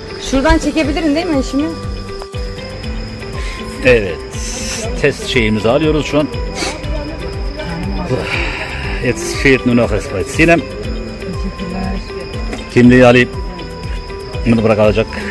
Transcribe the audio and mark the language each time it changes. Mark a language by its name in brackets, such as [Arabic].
[Turkish] Şuradan çekebilirim değil mi eşimi? Evet, test şeyimizi alıyoruz şu an. [German] Jetzt fehlt nur noch das Vaccine. [Turkish] Şimdi Ali bunu bırakacak.